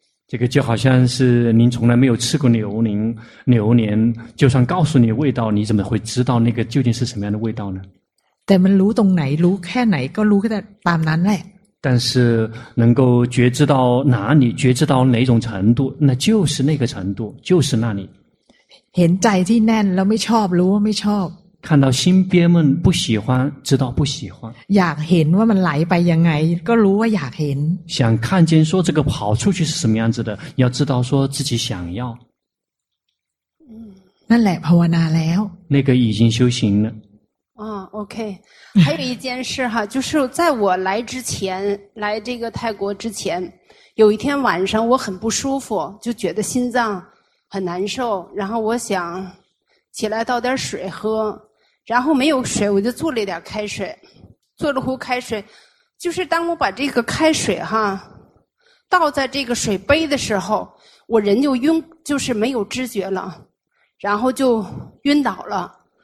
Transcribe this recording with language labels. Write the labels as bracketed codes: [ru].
[zh] 这个就好像是您从来没有吃过牛年就算告诉你味道你怎么会知道那个究竟是什么样的味道呢 [th] แต่มันรู้ตรงไหนรู้แค่ไหนก็รู้แค่ตามนั้นแหละ [zh] 但是能够觉知到哪里觉知到哪种程度那就是那个程度就是那里 [th] เห็นใจที่แน่นแล้วไม่ชอบรู้ว่าไม่ชอบ [zh] 看到心憋闷不喜欢知道不喜欢 [th] อยากเห็นว่ามันไหลไปยังไงก็รู้ว่าอยากเห็น [zh] 想看见说这个跑出去是什么样子的要知道说自己想要 [th] นั่นแหละภาวนาแล้ว [zh] 那个已经修行了哦 OK 还有一件事哈就是在我来之前来这个泰国之前有一天晚上我很不舒服就觉得心脏很难受然后我想起来倒点水喝然后没有水我就做了一点开水做了壶开水就是当我把这个开水哈倒在这个水杯的时候我人就晕就是没有知觉了然后就晕倒了